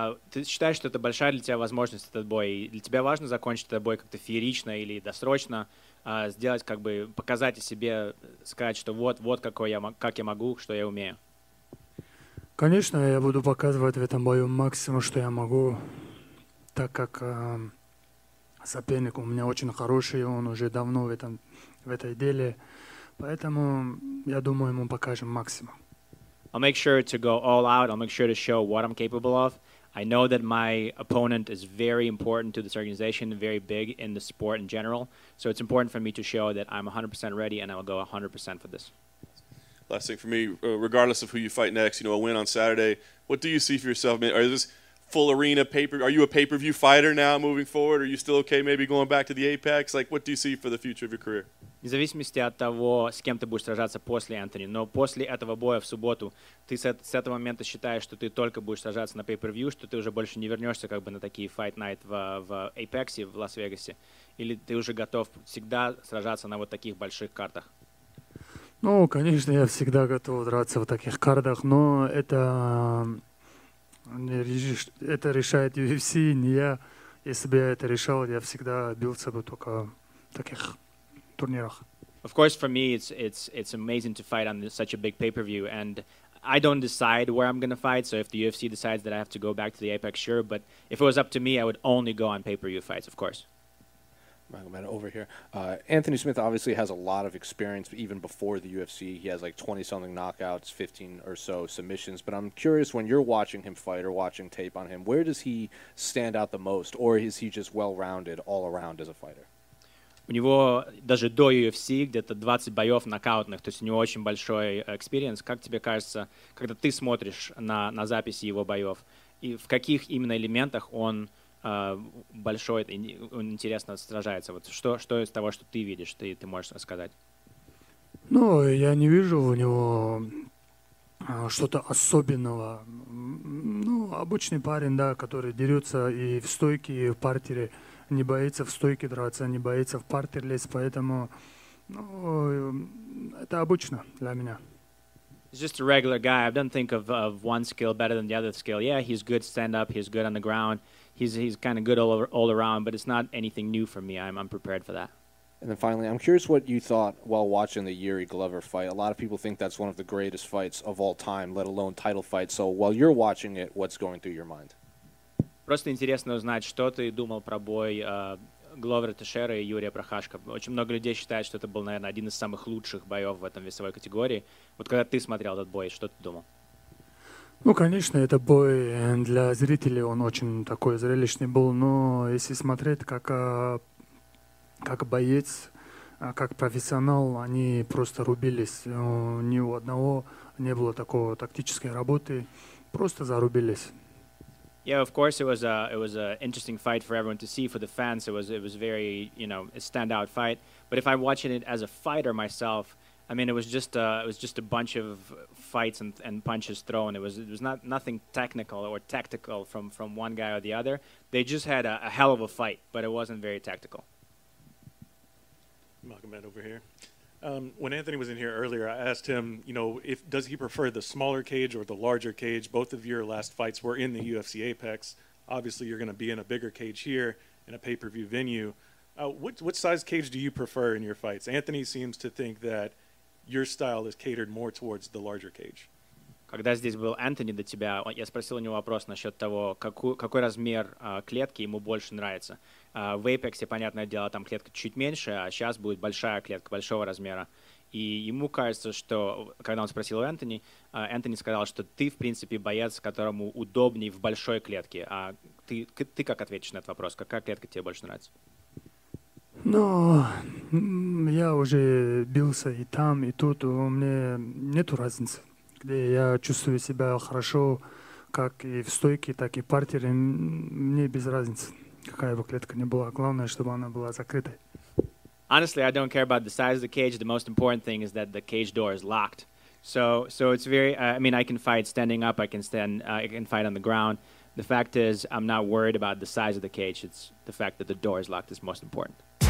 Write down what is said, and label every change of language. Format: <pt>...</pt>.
<ru>Ты считаешь, что это большая для тебя возможность, этот бой? Для тебя важно закончить этот бой как-то феерично или досрочно? Сделать, как бы, показать о себе, сказать, что вот какой я, как я могу, что я умею. Конечно, я буду показывать в этом бою максимум, что я могу, так как соперник у меня очень хороший, он уже давно в этой деле, поэтому я думаю, ему покажем максимум.</ru> <en>I'll make sure to go all out, I'll make sure to show what I'm capable of. I know that my opponent is very important to this organization, very big in the sport in general. So it's important for me to show that I'm 100% ready and I will go 100% for this. Last thing for me, regardless of who you fight next, you know, a win on Saturday, what do you see for yourself? I mean, is this full arena paper? Are you a pay-per-view fighter now moving forward? Are you still okay maybe going back to the Apex? Like, what do you see for the future of your career?</en> <ru>Вне зависимости от того, с кем ты будешь сражаться после Энтони, но после этого боя в субботу, ты с этого момента считаешь, что ты только будешь сражаться на pay-per-view, что ты уже больше не вернешься как бы на такие fight night в Apex, в Лас-Вегасе, или ты уже готов всегда сражаться на вот таких больших картах? Ну, конечно, я всегда готов драться в таких картах, но это решает UFC, не я. Если бы я это решал, я всегда бился бы только таких...</ru> <en>Of course, for me, it's amazing to fight on such a big pay-per-view, and I don't decide where I'm going to fight, so if the UFC decides that I have to go back to the Apex, sure, but if it was up to me, I would only go on pay-per-view fights, of course. Michael, over here. Anthony Smith obviously has a lot of experience, even before the UFC. He has like 20-something knockouts, 15 or so submissions, but I'm curious, when you're watching him fight or watching tape on him, where does he stand out the most, or is he just well-rounded all around as a fighter?</en> <ru>У него даже до UFC где-то 20 боев нокаутных, то есть у него очень большой экспириенс. Как тебе кажется, когда ты смотришь на записи его боев, и в каких именно элементах он большой, он интересно сражается? Вот что из того, что ты видишь, ты можешь сказать? Ну, я не вижу у него что-то особенного. Ну, обычный парень, да, который дерется и в стойке, и в партере. Не боится в стойке драться, не боится в партер лезть, поэтому, ну, это обычно для меня.</ru> <en>He's just a regular guy. I don't think of one skill better than the other skill. Yeah, he's good stand up, he's good on the ground, he's kind of good all around, but it's not anything new for me. I'm prepared for that. And then finally, I'm curious what you thought while watching the Yuri Glover fight. A lot of people think that's one of the greatest fights of all time, let alone title fight. So while you're watching it, what's going through your mind?</en> <ru>Просто интересно узнать, что ты думал про бой Гловера Тешера и Юрия Прохашко. Очень много людей считают, что это был, наверное, один из самых лучших боев в этом весовой категории. Вот когда ты смотрел этот бой, что ты думал? Ну, конечно, это бой для зрителей, он очень такой зрелищный был. Но если смотреть как боец, как профессионал, они просто рубились. Ни у одного не было такого тактической работы, просто зарубились.</ru> <en>Yeah, of course, it was a interesting fight for everyone to see, for the fans. It was very, you know, a standout fight. But if I'm watching it as a fighter myself, I mean, it was just a bunch of fights and punches thrown. It was nothing technical or tactical from one guy or the other. They just had a hell of a fight, but it wasn't very tactical. Malcolm, Matt over here. When Anthony was in here earlier, I asked him, you know, does he prefer the smaller cage or the larger cage? Both of your last fights were in the UFC Apex. Obviously, you're going to be in a bigger cage here in a pay-per-view venue. What size cage do you prefer in your fights? Anthony seems to think that your style is catered more towards the larger cage.</en> <ru>Когда здесь был Anthony до тебя, я спросил у него вопрос насчет того, какой размер клетки ему больше нравится. В Apex, понятное дело, там клетка чуть меньше, а сейчас будет большая клетка, большого размера. И ему кажется, что, когда он спросил у Энтони, Энтони сказал, что ты, в принципе, боец, которому удобней в большой клетке. А ты как ответишь на этот вопрос? Какая клетка тебе больше нравится? Ну, я уже бился и там, и тут. У меня нету разницы, Я чувствую себя хорошо как и в стойке, так и в партере. Мне без разницы, какая бы клетка ни была. Главное, чтобы она была закрытой.</ru> <en>Honestly, I don't care about the size of the cage. The most important thing is that the cage door is locked. So it's very, I can fight standing up. I can fight on the ground. The fact is, I'm not worried about the size of the cage. It's the fact that the door is locked is most important.</en>